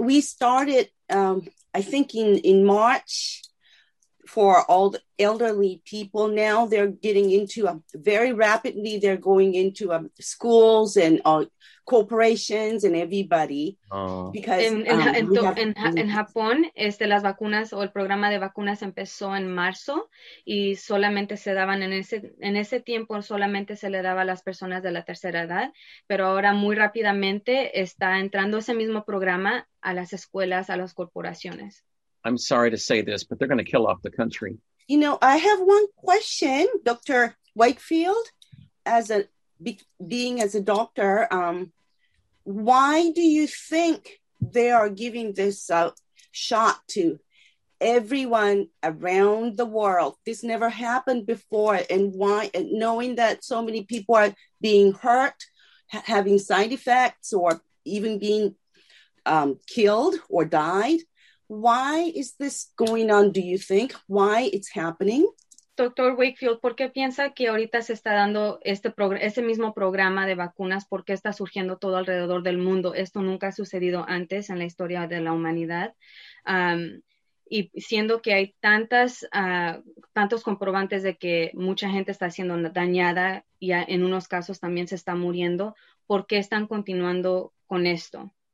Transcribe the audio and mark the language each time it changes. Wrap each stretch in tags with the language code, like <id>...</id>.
<en>We started, I think, in March for all the elderly people. Now they're getting into very rapidly. They're going into schools and corporations and everybody. Because in</en> <es>Japón, las vacunas o el programa de vacunas empezó en marzo y solamente se daban en ese tiempo solamente se le daba a las personas de la tercera edad, pero ahora muy rápidamente está entrando ese mismo programa a las escuelas, a las corporaciones.</es> <en>I'm sorry to say this, but they're going to kill off the country. You know, I have one question, Dr. Wakefield, being as a doctor, why do you think they are giving this shot to everyone around the world? This never happened before. And why, knowing that so many people are being hurt, having side effects, or even being killed or died, why is this going on, do you think? Why it's happening? Dr.</en> <es>Wakefield, ¿por qué piensa que ahorita se está dando este mismo programa de vacunas? ¿Por qué está surgiendo todo alrededor del mundo? Esto nunca ha sucedido antes en la historia de la humanidad. Y siendo que hay tantos comprobantes de que mucha gente está siendo dañada y en unos casos también se está muriendo, ¿por qué están continuando con esto?</es>